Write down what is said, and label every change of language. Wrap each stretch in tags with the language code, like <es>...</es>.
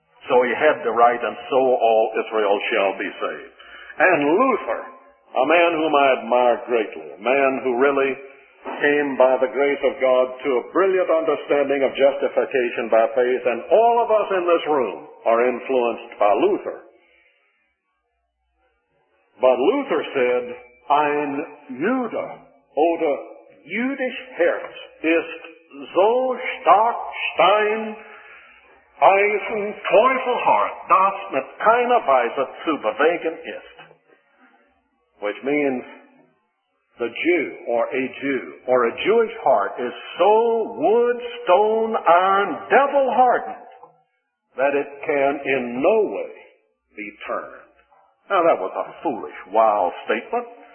<en>So he had to write, and so all Israel shall be saved. And Luther, a man whom I admire greatly, a man who really came by the grace of God to a brilliant understanding of justification by faith, and all of us in this room are influenced by Luther. But Luther said,</en> <de>Ein Jude oder Jüdisch Herz ist so stark stein eisen Teufelhart, dass mit keiner Weise zu bewegen ist.</de> <en>Which means, the Jew, or a Jew, or a Jewish heart is so wood, stone, iron, devil hardened that it can in no way be turned. Now that was a foolish, wild statement.</en>